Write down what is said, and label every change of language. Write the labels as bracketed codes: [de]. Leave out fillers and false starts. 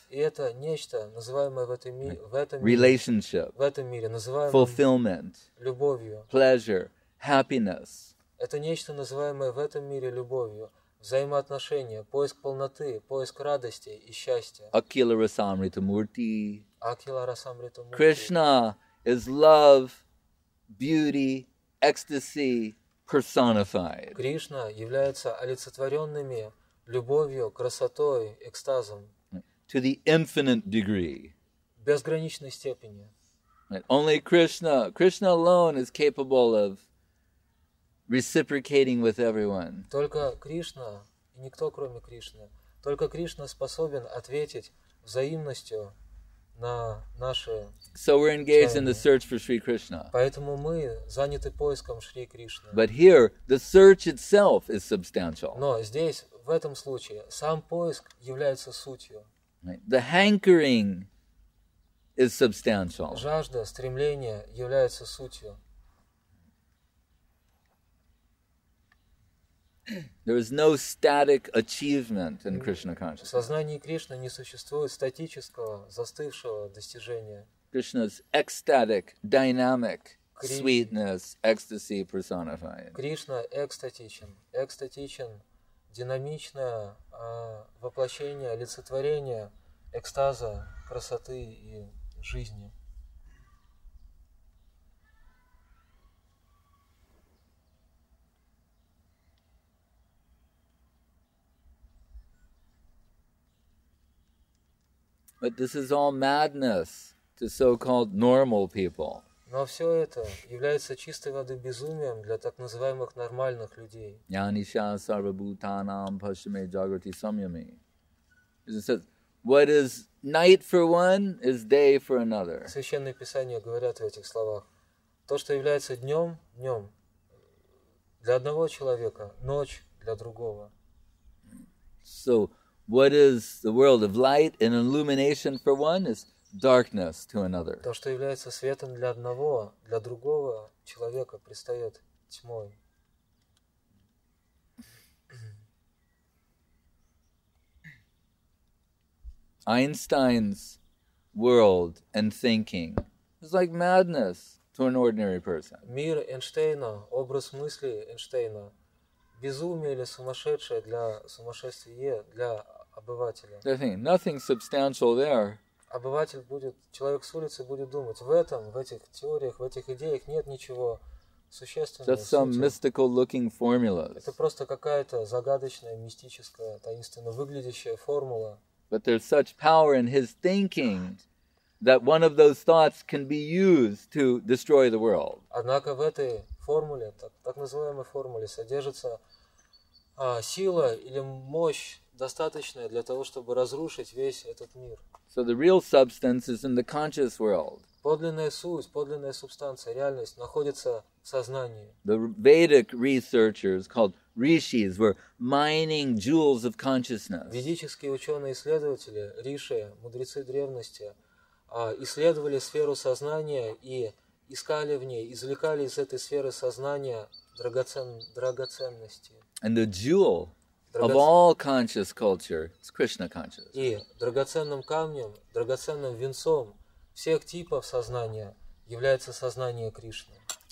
[ru] И это нечто, называемое в этом мире, в этом [en] relationship, [ru] в этом мире, называемое [en] fulfillment, [ru] любовью, [en] pleasure, happiness. [ru] Это нечто, называемое в этом мире любовью, взаимоотношения, поиск полноты, поиск радости и счастья. [sa] Akila Rasamrita Murti. Akila Rasamrita Murti. [en] Krishna is love, beauty, ecstasy personified. [ru] Кришна является олицетворенными любовью, красотой, экстазом. [en] To the infinite degree. [ru] Безграничной степени. [en] Only Krishna, Krishna alone is capable of reciprocating with everyone. [ru] Только Кришна, и никто кроме Кришны, только Кришна способен ответить взаимностью на наши. [en] So we're engaged [ru] чаяния. [en] In the search for Sri Krishna. [ru] Поэтому мы заняты поиском Шри Кришны. [en] But here the search itself is substantial. [ru] Но здесь, в этом случае, сам поиск является сутью. [en] The hankering is substantial. [ru] Жажда, стремление является сутью. [en] There is no static achievement in Krishna consciousness. [ru] В сознании Кришны не существует статического, застывшего достижения. [en] Krishna's ecstatic, dynamic sweetness, ecstasy personified. [ru] Кришна экстатичен, экстатичен, динамичное воплощение, олицетворение экстаза, красоты и жизни. [en] But this is all madness to so-called normal people. [ru] Но все это является чистой воды безумием для так называемых нормальных людей. [sa] Jnanisya sarvabhutanam paschime jagrati samyami. [en] It says, what is night for one is day for another. [ru] Священные писания говорят в этих словах, то, что является днем, днем для одного человека, ночь для другого. [en] So, what is the world of light and illumination for one is darkness to another. [ru] То, что является светом для одного, для другого человека, предстает тьмой. [en] Einstein's world and thinking is like madness. to an ordinary person. [ru] Мир Эйнштейна, образ мысли Эйнштейна, безумие или сумасшедшее для сумасшествия для обывателя. [en] The thing, nothing substantial there. [ru] Обыватель будет, человек с улицы будет думать, в этом, в этих теориях, в этих идеях нет ничего существенного. [en] Just some mystical-looking formulas. [ru] Это просто какая-то загадочная, мистическая, таинственно выглядящая формула. [en] But there's such power in his thinking that one of those thoughts can be used to destroy the world. [ru] Однако в этой формуле, так называемой формуле, содержится сила или мощь, достаточная для того, чтобы разрушить весь этот мир. [en] So the real substance is in the conscious world. [ru] Подлинная суть, подлинная субстанция, реальность находится в сознании. [en] The Vedic researchers called rishis were mining jewels of consciousness. [ru] Ведические ученые-исследователи, риши, мудрецы древности, исследовали сферу сознания и искали в ней, извлекали из этой сферы сознания драгоценности. [en] And the jewel of all conscious culture is Krishna consciousness. [ru] И драгоценным камнем, драгоценным венцом всех типов сознания является сознание Кришны.